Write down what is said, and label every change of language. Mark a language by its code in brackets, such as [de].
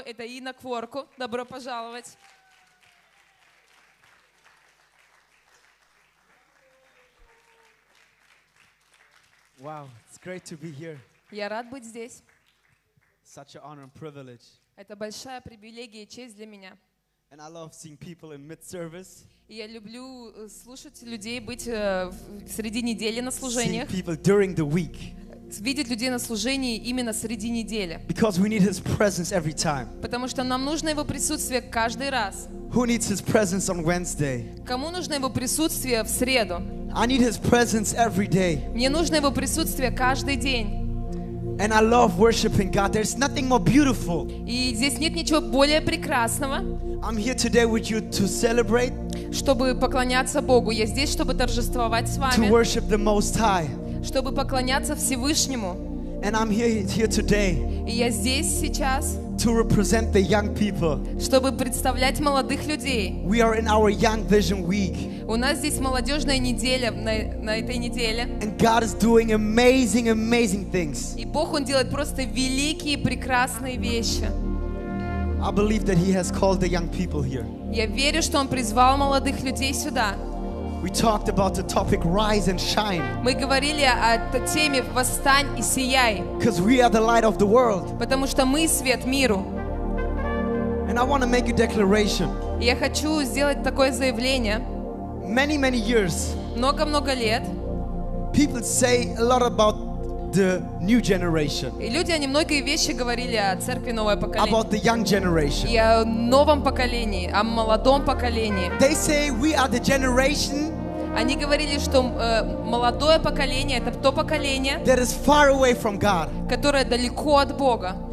[ru] Это Инна Кворку. Добро пожаловать. [en] Wow, it's great to be here. [ru] Я рад быть здесь. [en] Such an honor and privilege. [ru] Это большая привилегия и честь для меня. [en] And I love seeing people in mid-service. [ru] И я люблю слушать людей, быть в среди недели на служениях. [en] See people during the week. [ru] Видеть людей на служении именно среди недели. [en] Because we need His presence every time. [ru] Потому что нам нужно Его присутствие каждый раз. [en] Who needs His presence on Wednesday? [ru] Кому нужно Его присутствие в среду? [en] I need His presence every day. [ru] Мне нужно Его присутствие каждый день. [en] And I love worshiping God. There's nothing more beautiful. [ru] И здесь нет ничего более прекрасного. [en] I'm here today with you to celebrate. [ru] Чтобы поклоняться Богу, я здесь, чтобы торжествовать с вами. [en] To worship the Most High. [ru] Чтобы поклоняться Всевышнему. [en] And I'm here today. [ru] И я здесь сейчас. [en] To represent the young people. [ru] Чтобы представлять молодых людей. [en] We are in our Young Vision Week. [ru] У нас здесь молодежная неделя на этой неделе. [en] And God is doing amazing, amazing things. [ru] И Бог, Он делает просто великие, прекрасные вещи. [en] I believe that He has called the young people here. [ru] Я верю, что Он призвал молодых людей сюда. [en] We talked about the topic Rise and Shine. [ru] Мы говорили о теме Восстань и сияй. [en] Because we are the light of the world. [ru] Потому что мы свет миру. [en] And I want to make a declaration. [ru] Я хочу сделать такое заявление. [en] Many, many years. [ru] Много-много лет. [en] People say a lot about the new generation. [ru] И люди, они многие вещи говорили о церкви новое поколение. [en] About the young generation. [ru] И о новом поколении, о молодом поколении. [en] They say we are the generation. [ru] Они говорили, что молодое поколение это то поколение. [en] That is far away from God. [ru] Которое далеко от Бога.